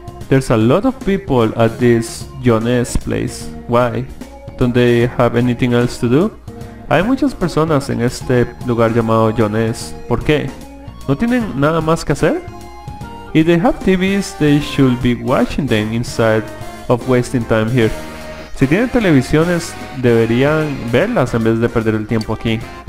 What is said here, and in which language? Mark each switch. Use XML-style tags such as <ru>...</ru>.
<en>There's a lot of people at this Jones place. Why? Don't they have anything else to do?</en> <es>Hay muchas personas en este lugar llamado Jones. ¿Por qué? ¿No tienen nada más que hacer?</es> <en>If they have TVs, they should be watching them inside of wasting time here.</en> <es>Si tienen televisiones, deberían verlas en vez de perder el tiempo aquí.</es>